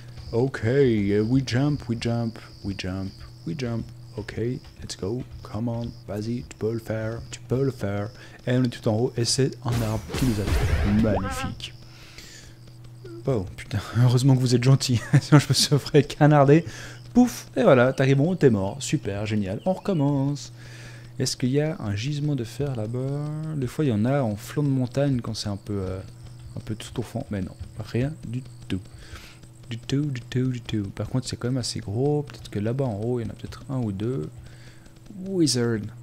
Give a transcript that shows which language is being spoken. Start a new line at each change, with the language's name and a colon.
English: Ok, we jump, we jump, we jump, we jump. Ok, let's go, come on,
French: vas-y, tu peux le faire, tu peux le faire. Et on est tout en haut, et c'est un arbre qui nous attend. Magnifique. Oh, putain, heureusement que vous êtes gentil, sinon je me serais canardé. Pouf, et voilà, t'arrives bon, t'es mort. Super, génial, on recommence. Est-ce qu'il y a un gisement de fer là-bas? Des fois, il y en a en flanc de montagne quand c'est un peu tout au fond. Mais non, rien du tout. Du tout, du tout, du tout. Par contre, c'est quand même assez gros. Peut-être que là-bas, en haut, il y en a peut-être un ou deux. Wizard.